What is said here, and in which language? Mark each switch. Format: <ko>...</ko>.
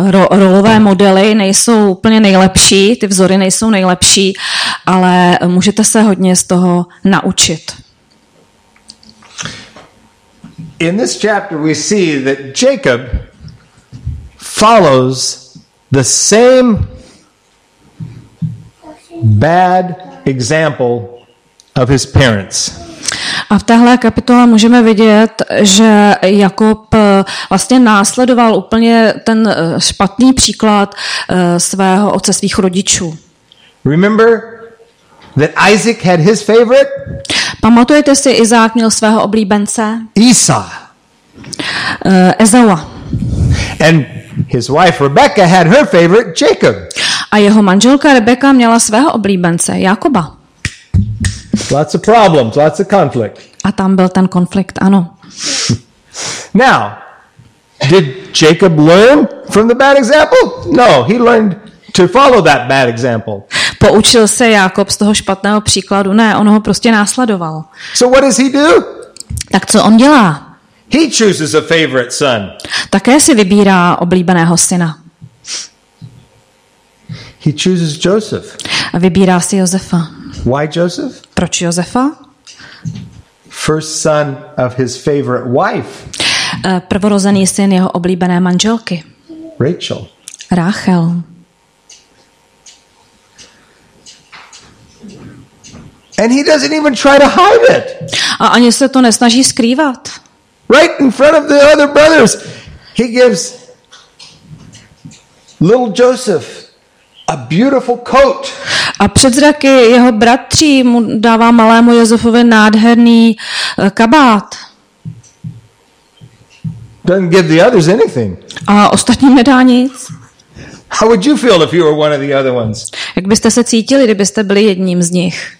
<cs>Rolové modely nejsou úplně nejlepší, ty vzory nejsou nejlepší, ale můžete se hodně z toho naučit.</cs> <en>In this chapter we see that Jacob follows the same bad example of his parents.</en> <cs>A v téhle kapitole můžeme vidět, že Jakob vlastně následoval úplně ten špatný příklad svého otce, svých rodičů.</cs> <en>Remember that Isaac had his favorite?</en> <cs>Pamatujete si, Izák měl svého oblíbence?</cs> <en>Esau.</en> <cs>Ezaua.</cs> <en>And his wife Rebecca had her favorite, Jacob.</en> <cs>A jeho manželka Rebecca měla svého oblíbence, Jakoba.</cs> <en>Lots of problems, lots of conflict.</en> <cs>A tam byl ten konflikt, ano.</cs> <en>Now, did Jacob learn from the bad example? No, he learned to follow that bad example.</en> <cs>Poučil se Jakob z toho špatného příkladu? Ne, on ho prostě následoval.</cs> <en>So what does he do?</en> <cs>Tak co on dělá?</cs> <en>He chooses a favorite son.</en> <cs>Také si vybírá oblíbeného syna.</cs> <en>He chooses Joseph.</en> <cs>A vybírá si Josefa.</cs> <en>Why Joseph?</en> <cs>Proč Josefa?</cs> <en>First son of his favorite wife.</en> <cs>Prvorozený syn jeho oblíbené manželky.</cs> <en>Rachel.</en> <cs>Rachel.</cs> <en>And he doesn't even try to hide it.</en> <cs>A ani se to nesnaží skrývat.</cs> <en>Right in front of the other brothers, he gives little Joseph a beautiful coat.</en> <cs>A před zraky jeho bratří mu dává malému Josefovi nádherný kabát.</cs> <en>Doesn't give the others anything.</en> <cs>A ostatním nedá nic.</cs> <en>How would you feel if you were one of the other ones?</en> <cs>Jak byste se cítili, kdybyste byli jedním z nich?</cs>